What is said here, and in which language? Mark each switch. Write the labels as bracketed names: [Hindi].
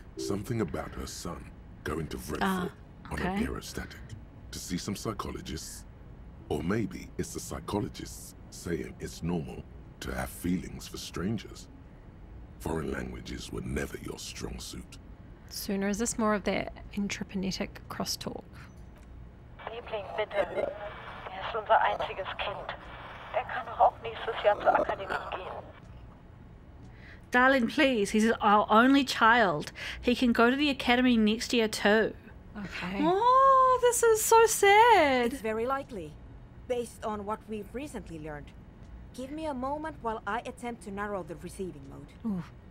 [English] Something about her son going to Vredefort on an aerostatic to see some psychologists. Or maybe it's the psychologists saying it's normal to have feelings for strangers. Foreign languages were never your strong suit. Sooner, is this more of their intrapanetic crosstalk? [German] Liebling, bitte. Er ist unser einziges Kind. Er kann auch nächstes Jahr zur Akademie gehen. [English] Darling, please. He's our only child. He can go to the academy next year, too. Okay. Oh, this is so sad. It's very likely, based on what we've recently learned. Give me a moment while I attempt to narrow the receiving mode.